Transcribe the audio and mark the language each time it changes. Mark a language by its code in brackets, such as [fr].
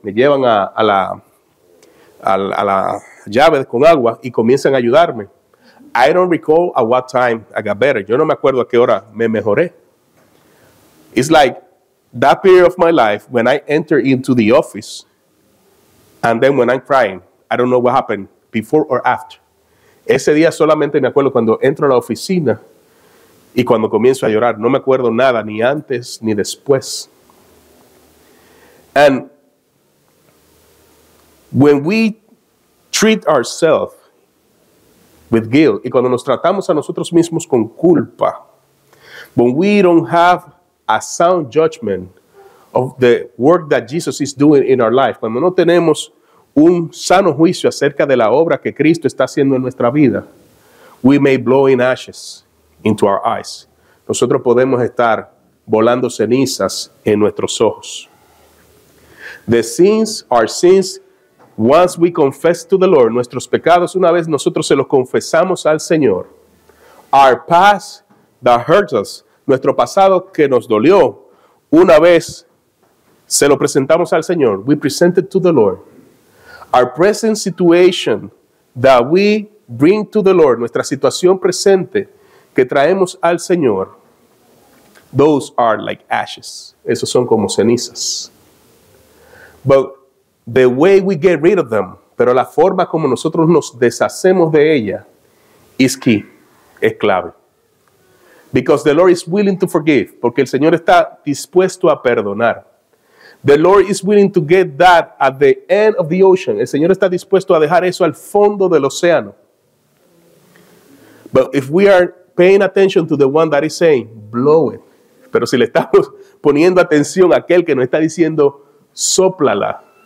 [es] Me llevan a la llave con agua y comienzan a ayudarme. [en] I don't recall at what time I got better. [es] Yo no me acuerdo a qué hora me mejoré. [en] It's like that period of my life when I enter into the office and then when I'm crying, I don't know what happened before or after. [es] Ese día solamente me acuerdo cuando entro a la oficina y cuando comienzo a llorar. No me acuerdo nada, ni antes ni después. [en] And when we treat ourselves with guilt, [es] y cuando nos tratamos a nosotros mismos con culpa, [en] when we don't have a sound judgment of the work that Jesus is doing in our life, [es] cuando no tenemos un sano juicio acerca de la obra que Cristo está haciendo en nuestra vida, [en] we may blow in ashes into our eyes. [es] Nosotros podemos estar volando cenizas en nuestros ojos. [en] The sins are sins once we confess to the Lord. [es] Nuestros pecados, una vez nosotros se los confesamos al Señor. [en] Our past that hurts us. [es] Nuestro pasado que nos dolió, una vez se lo presentamos al Señor. [en] We present it to the Lord. Our present situation that we bring to the Lord. [es] Nuestra situación presente que traemos al Señor. [en] Those are like ashes. [es] Esos son como cenizas. [en] But the way we get rid of them, [es] pero la forma como nosotros nos deshacemos de ella, [en] is key, [es] es clave. [en] Because the Lord is willing to forgive, [es] porque el Señor está dispuesto a perdonar. [en] The Lord is willing to get that at the end of the ocean. [es] El Señor está dispuesto a dejar eso al fondo del océano. [en] But if we are paying attention to the one that is saying, blow it. [es] Pero si le estamos poniendo atención a aquel que nos está diciendo, sóplala.